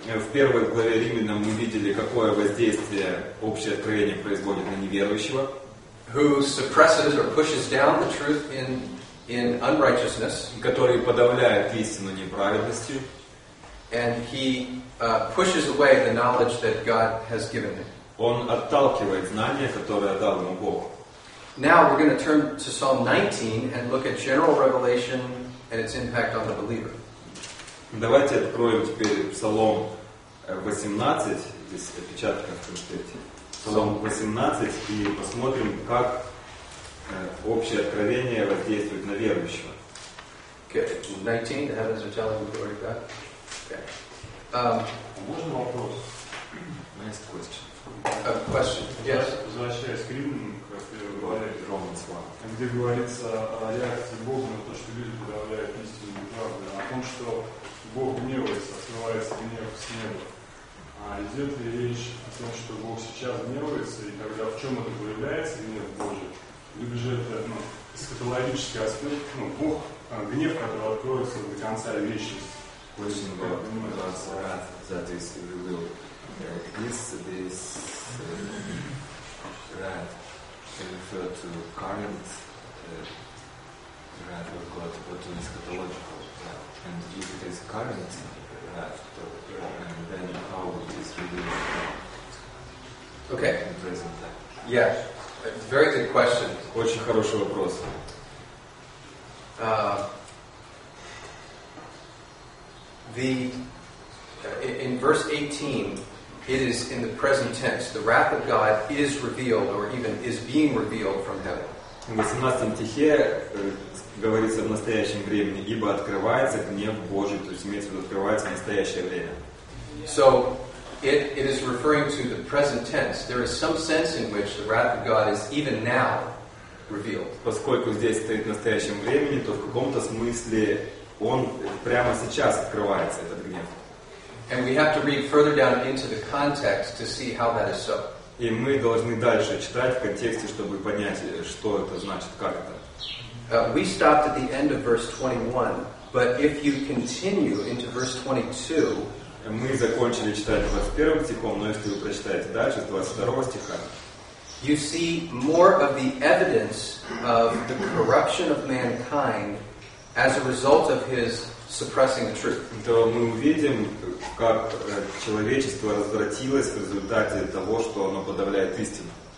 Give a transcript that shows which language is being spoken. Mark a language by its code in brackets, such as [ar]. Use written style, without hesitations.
[ru] В первой главе Римлянам мы видели, какое воздействие общее откровение производит на неверующего. [en] Who suppresses or pushes down the truth in unrighteousness, [ru] который подавляет истину неправедностью, [en] and he pushes away the knowledge that God has given him. [ru] Он отталкивает знания, которые дал ему Бог. [en] Now we're going to turn to Psalm 19 and look at general revelation and its impact on the believer. [ru] Давайте откроем теперь Псалом 18, здесь опечатка в конспекте. Псалом 18 и посмотрим, как общее откровение воздействует на верующего. [en] Okay. 19, the heavens are telling the glory of God. Okay. [ru] Можно вопрос? [en] Next question. A question. Yes. [ru] Возвращаясь к Римлянам, как я говорил, [en] Romans 1, [ru] где говорится о реакции Бога на то, что люди подавляют истину и правду, о том, что Бог гневается, срывается гнев с неба. А идет ли речь о том, что Бог сейчас гневается, и тогда в чем это проявляется, гнев Божий? Либо же это эсхатологический аспект, Бог, гнев, который откроется до конца вечности. Очень много раз рад за то, что вы говорили. [en] This wrath refer to current wrath of God, but to eschatological wrath. And if it is current wrath, then how would this revealed? Okay. In present time. Yeah. Very good question. [ru] Очень хороший вопрос. [en] In verse 18, it is in the present tense. The wrath of God is revealed, or even is being revealed from heaven. [ru] В 18 стихе говорится в настоящем времени, ибо открывается гнев Божий, то есть имеется в виду открывается в настоящее время. [en] So, It is referring to the present tense. There is some sense in which the wrath of God is even now revealed. [ru] Поскольку здесь стоит в настоящем времени, то в каком-то смысле он прямо сейчас открывается, этот гнев. [en] And we have to read further down into the context to see how that is so. [ru] И мы должны дальше читать в контексте, чтобы понять, что это значит, как это. [en] We stopped at the end of verse 21, but if you continue into verse 22, [ru] мы закончили читать 21 стихом, но если вы прочитаете дальше, с 22 стиха, [en] you see more of the evidence of the corruption of mankind as a result of his suppressing the truth. [ru] То мы увидим, как человечество развратилось в результате того, что оно подавляет истину.